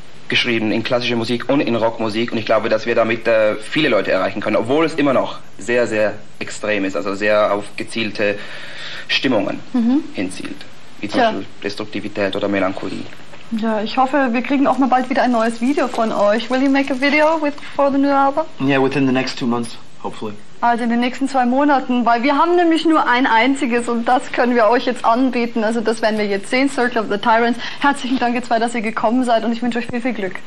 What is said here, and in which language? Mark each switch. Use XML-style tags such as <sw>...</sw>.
<de>geschrieben in klassische Musik und in Rockmusik. Und ich glaube, dass wir damit viele Leute erreichen können, obwohl es immer noch sehr, sehr extrem ist, also sehr auf gezielte Stimmungen hinzielt, wie zum Beispiel Destruktivität oder Melancholie. Ja, ich hoffe, wir kriegen auch mal bald wieder ein neues Video von euch.</de> <en>Will you make a video with for the new album? Yeah, within the next 2 months, hopefully.</en> <de>Also in den nächsten 2 Monaten, weil wir haben nämlich nur ein einziges und das können wir euch jetzt anbieten. Also das werden wir jetzt sehen, Circle of the Tyrants. Herzlichen Dank, ihr zwei, dass ihr gekommen seid und ich wünsche euch viel, viel Glück.</de>